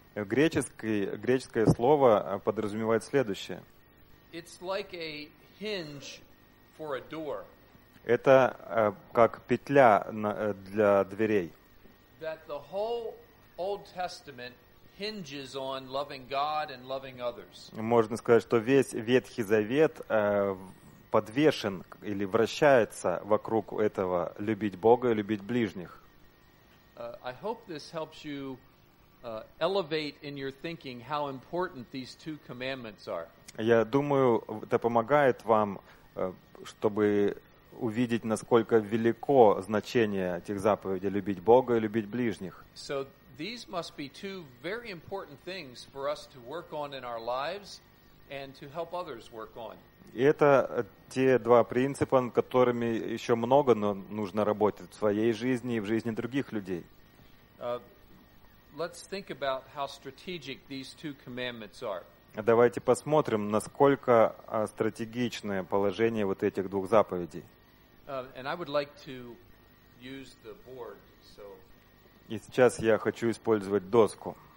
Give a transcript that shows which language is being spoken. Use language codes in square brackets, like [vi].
[ru] Греческое слово подразумевает следующее. [en] It's like a hinge for a door. [ru] Это как петля для дверей. [en] That the whole Old Testament hinges on loving God and loving others. [ru] Можно сказать, что весь Ветхий Завет подвешен или вращается вокруг этого: любить Бога и любить ближних. [en] I hope this helps you elevate in your thinking how important these two commandments are. [ru] Я думаю, это помогает вам, чтобы увидеть, насколько велико значение этих заповедей: любить Бога и любить ближних. [en] So these must be two very important things for us to work on in our lives and to help others work on. [ru] Это те два принципа, над которыми еще много нужно работать в своей жизни и в жизни других людей. [en] Let's think about how strategic these two commandments are. [ru] Давайте посмотрим, насколько стратегичное положение вот этих двух заповедей. [en] And I would like to use the board, so. [ru] И сейчас я хочу использовать доску.